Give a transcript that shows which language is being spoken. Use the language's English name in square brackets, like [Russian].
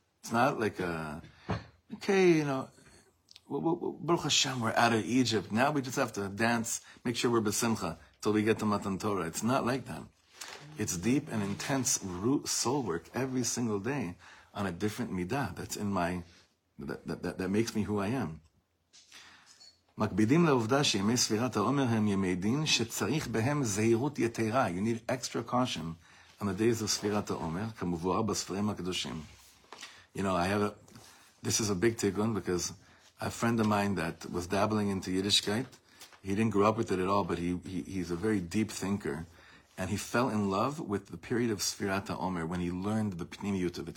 [English] It's not like Baruch Hashem, we're out of Egypt. Now we just have to dance, make sure we're besimcha till we get to Matan Torah. It's not like that. It's deep and intense root soul work every single day on a different midah that's in my. That makes me who I am. [Hebrew] מקבידים לעובדה שימי ספירת העומר הם ימי דין שצריך בהם זהירות יתרה. [English] You need extra caution on the days of ספירת העומר, [Hebrew] כמובן בספרים הקדושים. [English] You know, this is a big tikkun because a friend of mine that was dabbling into Yiddishkeit, he didn't grow up with it at all, but he's a very deep thinker, and he fell in love with the period of Sfirat HaOmer when he learned the Pnimiyut of it.